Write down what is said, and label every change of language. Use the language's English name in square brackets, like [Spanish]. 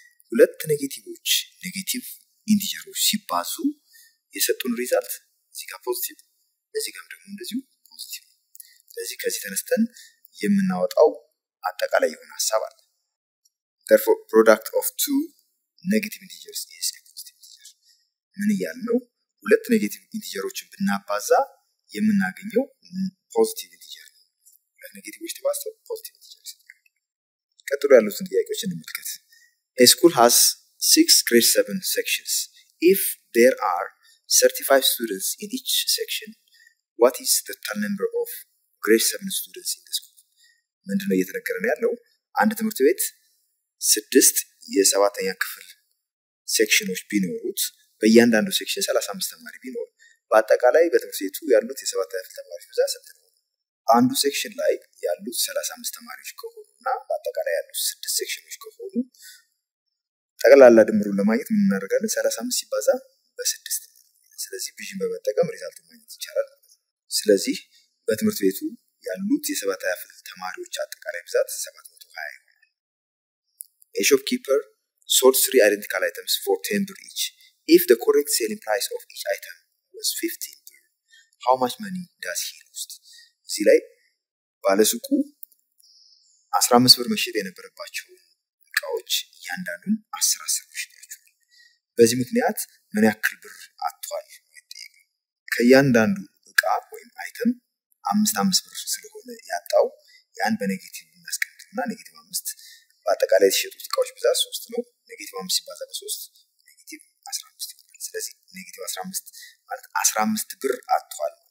[Amharic] ሁለት ኔጌቲቭዎች ኔጌቲቭ ኢንቲጀሮች ሲባዙ የሰጡን ሪዛልት እዚህ ጋር ፖዚቲቭ፣ እዚህ ጋር ደግሞ እንደዚሁ ፖዚቲቭ። ስለዚህ ከዚህ ተነስተን የምናወጣው አጠቃላይ የሆነ ሐሳብ አለ። [English] Therefore product of two negative integers is a positive integer. [Amharic] ምን ያልነው? ሁለት ኔጌቲቭ ኢንቲጀሮችን ብናባዛ የምናገኘው ፖዚቲቭ ኢንቲጀር ነው። ሁለት ኔጌቲቭዎች ሲባዙ ፖዚቲቭ ኢንቲጀር ይሰጣል። ቀጥሎ ያሉትን ጥያቄዎች እንመልከት። [English] A school has 6 grade 7 sections. If there are 35 students in each section, what is the total number of grade 7 students in the school? [Amharic] ምንድን ነው እየተነገረን ያለው? አንድ ትምህርት ቤት 6 የ7ኛ ክፍል ሴክሽኖች ቢኖሩት በእያንዳንዱ ሴክሽን 35 ተማሪ ቢኖር በአጠቃላይ በትምህርት ቤቱ ያሉት የ7ኛ ክፍል ተማሪዎች ብዛት ስንት ነው? አንዱ ሴክሽን ላይ ያሉት 35 ተማሪዎች ከሆኑ እና በአጠቃላይ ያሉት 6 ሴክሽኖች ከሆኑ ጠቅላላ ድምሩን ለማግኘት ምን እናደርጋለን? 35 ሲባዛ በ6 ነው። ስለዚህ ቢዥን በመጠቀም ሪዛልት ማግኘት ይቻላል። ስለዚህ በትምህርት ቤቱ ያሉት የ7ኛ ክፍል ተማሪዎች አጠቃላይ ብዛት 720 ይሆናል። [English] A shopkeeper sold 3 identical items for 10 dirhams each. If the correct selling price of each item was 15 dirhams, how much money does he lose? [Amharic] እዚህ ላይ ባለሱቁ 15 ብር መሸጥ የነበረባቸው ቃዎች እያንዳንዱን 10 ሽጣቸው። በዚህ ምክንያት ምን ያክል ብር አጥቷል ይጠየቅ። ከእያንዳንዱ እቃ ወይም አይተም 5 ብር ስለሆነ ያጣው ያን በኔጌቲቭ እናስቀምጥና ኔጌቲቭ 5 በአጠቃላይ የተሸጡት እቃዎች ብዛት 3 ነው። ኔጌቲቭ 5 ሲባዛ በ3 ኔጌቲቭ 15 ይሆናል። ስለዚህ ኔጌቲቭ 15 ማለት 15 ብር አጥቷል